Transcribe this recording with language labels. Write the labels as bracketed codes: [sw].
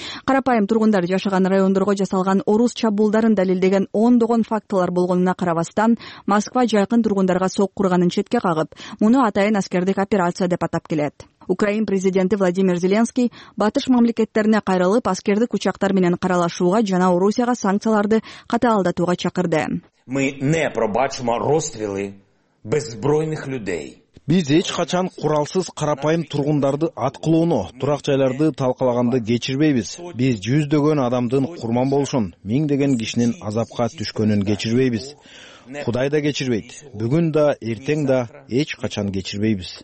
[ky] Карапайым тургундар жашаган райондорго жасалган орус чабуулдарын далилдеген ондогон фактылар болгонуна карабастан, Москва жайкын тургундарга соккурганын четке кагып, муну атайын аскердик операция деп атап келет. Украин президенти Владимир Зеленский батыш мамлекеттерине кайрылып, аскердик учактар менен каралашууга жана Орусияга санкцияларды катаалдатууга чакырды. [uk] Мы не пробачимо розстрелы беззбройных людей. [ky] Биз эч качан куралсыз карапайым тургундарды аткылоону, турак жайларды талкалаганды кечирбейбиз. Биз жүздөгөн адамдын курман болушун, миңдеген кишинин азапка түшкөнүн кечирбейбиз. Кудай да кечирбейт. Бүгүн да, эртең да эч качан кечирбейбиз.